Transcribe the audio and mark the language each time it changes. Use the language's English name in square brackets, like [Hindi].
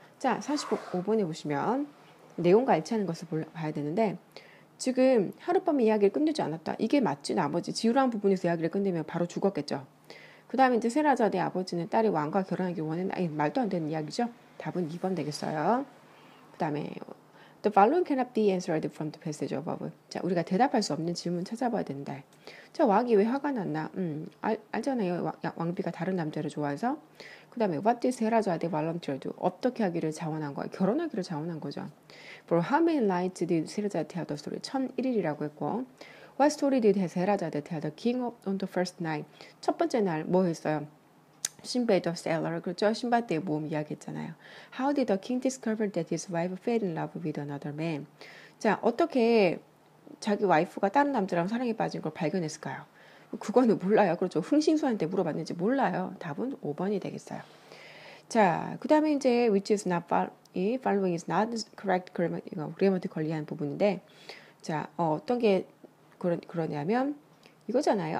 [Korean] 자, 45번에 보시면 내용과 일치하는 것을 봐야 되는데 지금 하룻밤에 이야기를 끝내지 않았다. 이게 맞지? 나머지 지우라는 부분에서 이야기를 끝내면 바로 죽었겠죠. 그 다음에 이제 세라자대 아버지는 딸이 왕과 결혼하기 원했나? 아니, 말도 안 되는 이야기죠. 답은 2번 되겠어요. 그 다음에 [English] The following cannot be answered from the passage above. [Korean] 자, 우리가 대답할 수 없는 질문 찾아봐야 된다. 자, 왕이 왜 화가 났나? 알잖아요. 왕비가 다른 남자를 좋아해서. 그 다음에 [English] What did Serajade volunteer do? [Korean] 어떻게 하기를 자원한 거야? 결혼하기를 자원한 거죠. [English] For how many nights did Serajade tell the story? [Korean] 1001일이라고 했고 [English] What story did Serajade tell the king of on the first night? [Korean] 첫 번째 날 뭐 했어요? 신바드 셀러, 그렇죠? 신바드의 모험 이야기했잖아요. [English] How did the king discover that his wife fell in love with another man? [Korean] 자, 어떻게 자기 와이프가 다른 남자랑 사랑에 빠진 걸 발견했을까요? 그거는 몰라요. 그렇죠? 흥신수한테 물어봤는지 몰라요. 답은 5번이 되겠어요. 자, 그 다음에 이제 [English] which is not following is not correct grammar, [Korean] 이거 grammatically 한 부분인데 자, 어떤 게 그러냐면 이거잖아요.